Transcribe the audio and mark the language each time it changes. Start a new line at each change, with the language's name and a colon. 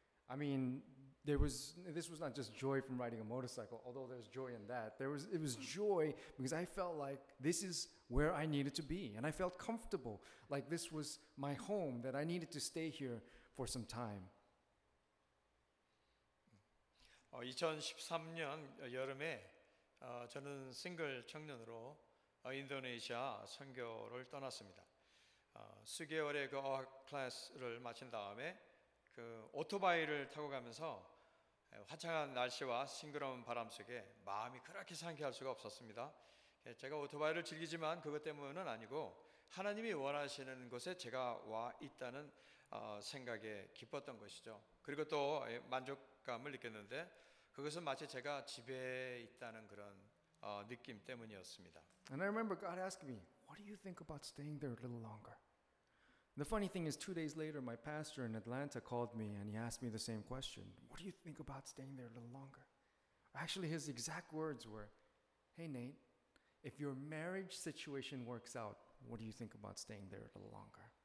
English: I mean, this was not just joy from riding a motorcycle, although there's joy in that. It was joy because I felt like this is where I needed to be, and I felt comfortable, like this was my home, that I needed to stay here for some time.
Korean: 2013년 여름에 저는 싱글 청년으로 인도네시아 선교를 떠났습니다. 수개월의 그 어학 클래스를 마친 다음에 그 오토바이를 타고 가면서 화창한 날씨와 싱그러운 바람 속에 마음이 그렇게 상쾌할 수가 없었습니다. 제가 오토바이를 즐기지만 그것 때문은 아니고 하나님이 원하시는 곳에 제가 와 있다는 생각에 기뻤던 것이죠. 그리고 또 만족감을 느꼈는데 그것은 마치 제가 집에 있다는 그런 느낌 때문이었습니다.
English: And I remember God asking me, what do you think about staying there a little longer? The funny thing is 2 days later, my pastor in Atlanta called me and he asked me the same question. What do you think about staying there a little longer? Actually, his exact words were, hey, Nate, if your marriage situation works out, what do you think about staying there a little longer?